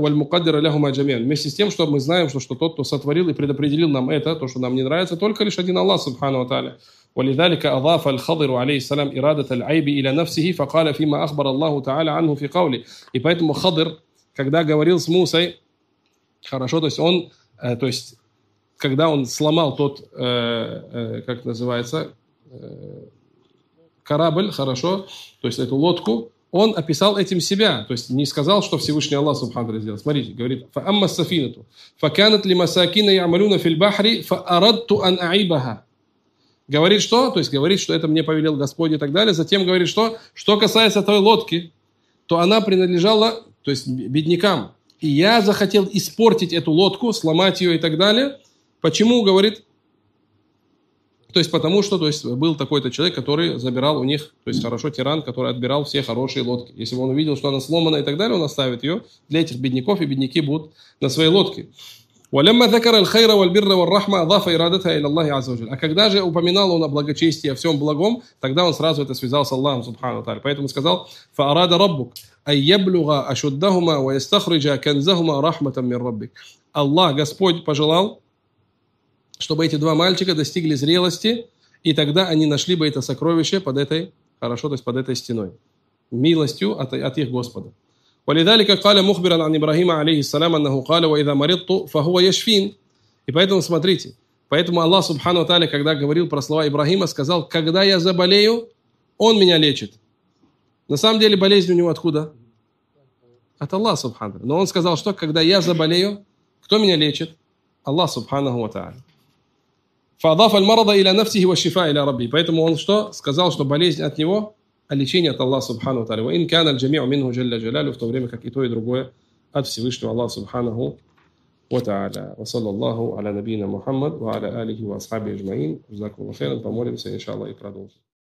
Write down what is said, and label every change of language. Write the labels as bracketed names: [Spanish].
[Russian] Вместе с тем, что мы знаем, что тот, кто сотворил и предопределил нам это, то, что нам не нравится, только лишь один Аллах, Субханаху Тааля. [Arabic] ولذلك أضاف الخضر عليه السلام إرادة العيب إلى نفسه فقال فيما أخبر الله تعالى عنه في قوله. [Russian] И поэтому Хадр, когда говорил с Мусой, хорошо, то есть он, то есть когда он сломал тот, как называется, корабль, хорошо, то есть эту лодку, он описал этим себя, то есть не сказал, что Всевышний Аллах Субханаху сделал. Смотрите, говорит: [Arabic] فأما السفينة فكانت لمساكين يعملون في البحر فأردت أن أعيبها. [Russian] Говорит что? То есть говорит, что это мне повелел Господь и так далее. Затем говорит что? Что касается той лодки, то она принадлежала, то есть, беднякам. И я захотел испортить эту лодку, сломать ее и так далее. Почему, говорит? То есть, потому что то есть, был такой-то человек, который забирал у них, то есть, хорошо, тиран, который отбирал все хорошие лодки. Если бы он увидел, что она сломана и так далее, он оставит ее для этих бедняков, и бедняки будут на своей лодке. А когда же упоминал он о благочестии, о всем благом, тогда он сразу это связал с Аллахом, субхану тааля. Поэтому сказал, [Arabic] فَأَرَادَ رَبُّكَ أَيَّبْلُغَ أَشُدَّهُمَا وَيَسْتَخْرِجَ كَنْزَهُمَا رَحْمَةً مِنْ رَبِّكَ. [Russian] Аллах, Господь, пожелал, чтобы эти два мальчика достигли зрелости, и тогда они нашли бы это сокровище под этой, хорошо, то есть под этой стеной, милостью от их Господа. [Arabic] ولذلك قال مخبرا عن ابراهيم عليه السلام انه قال واذا مرضت فهو يشفين. [Russian] И поэтому смотрите, поэтому Аллах субхана ва тааля, когда говорил про слова Ибрахима, сказал: когда я заболею, он меня лечит. На самом деле болезнь у него откуда? От Аллаха субхана. Но он сказал, что когда я заболею, кто меня лечит? Аллах субханаху ва тааля. [Arabic] فاضاف المرض الى نفسه والشفاء الى ربي. [Russian] Поэтому он что сказал, что болезнь от него, а лечение от Аллаха субхану таля. [Arabic] وإن كان الجميع منه جل جلاله, [Russian] в то время как и то и другое от Всевышнего Аллаха субханаху ва тааля. [Arabic] وصلى الله على نبينا محمد وعلى آله وأصحابه أجمعين. جزاكم الله خيرا. [Russian] Помолимся иншааллах и продолжим.